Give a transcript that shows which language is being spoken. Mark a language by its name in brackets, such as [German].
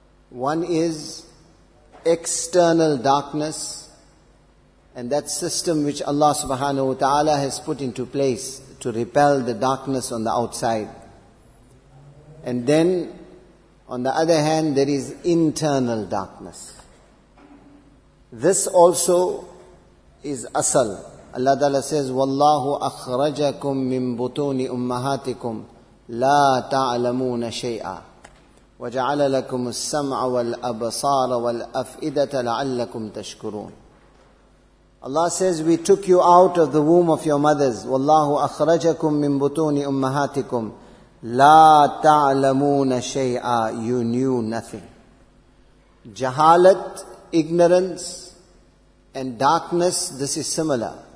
[English] One is external darkness, and that system which Allah subhanahu wa ta'ala has put into place to repel the darkness on the outside. And then, on the other hand, there is internal darkness. This also is asal. Allah Ta'ala says, [Arabic] وَاللَّهُ أَخْرَجَكُمْ مِنْ بُطُونِ أُمَّهَاتِكُمْ لَا تَعْلَمُونَ شَيْئًا وَجَعَلَ لَكُمُ السَّمْعَ وَالْأَبْصَارَ وَالْأَفْئِدَةَ لَعَلَّكُمْ تَشْكُرُونَ. [English] Allah says, we took you out of the womb of your mothers. [Arabic] وَاللَّهُ أَخْرَجَكُمْ مِنْ بُطُونِ أُمَّهَاتِكُمْ لَا تَعْلَمُونَ شَيْئًا. [English] You knew nothing. Jahalat, ignorance, and darkness, this is similar.